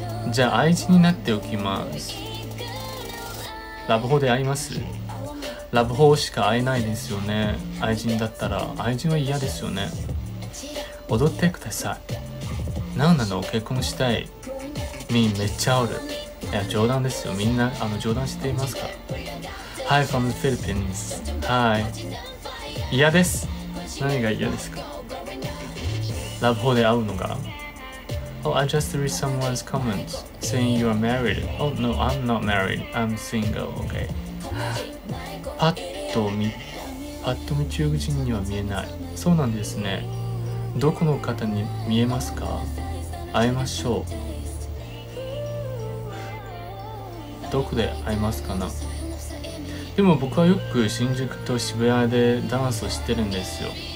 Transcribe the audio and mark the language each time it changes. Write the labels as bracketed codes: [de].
[ja] じゃあ愛人になっておきます。ラブホで会います。ラブホしか会えないですよね。愛人だったら愛人は嫌ですよね。踊ってください。何なの、結婚したい。みんめっちゃおる。いや冗談ですよ、みんな冗談していますから。 [en] Hi from the Philippines. [ja] Hi. 嫌です。何が嫌ですか？ラブホで会うのが。 [en] Oh, I just read someone's comments saying you are married. Oh, no, I'm not married. I'm single. Okay. [ja] パッと見中国人には見えない。そうなんですね。どこの方に見えますか？会いましょう。どこで会いますかな？でも僕はよく新宿と渋谷でダンスをしてるんですよ。